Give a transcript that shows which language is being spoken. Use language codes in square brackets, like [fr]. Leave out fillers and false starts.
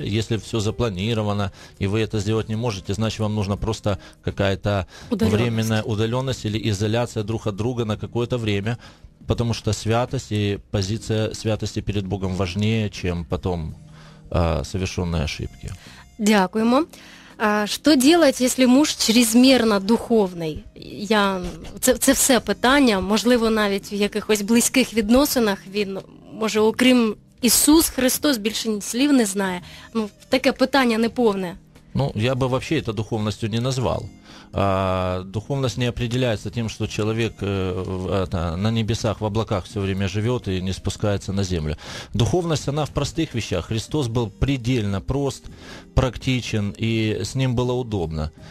[ru] Если все запланировано, и вы это сделать не можете, значит, вам нужно просто какая-то временная удаленность или изоляция друг от друга на какое-то время. Потому что святость и позиция святости перед Богом важнее, чем потом... совершенные ошибки. [uk] Дякуємо. [ru] Что делать, если муж чрезмерно духовный? [uk] Я... Це все питання. Можливо, навіть в якихось близьких відносинах він, може, окрім Ісус Христос, більше ні слів не знає. Ну, таке питання неповне. [ru] Ну, я бы вообще это духовностью не назвал. Духовность не определяется тем, что человек на небесах, в облаках все время живет и не спускается на землю. Духовность, она в простых вещах. Христос был предельно прост, практичен, и с ним было удобно.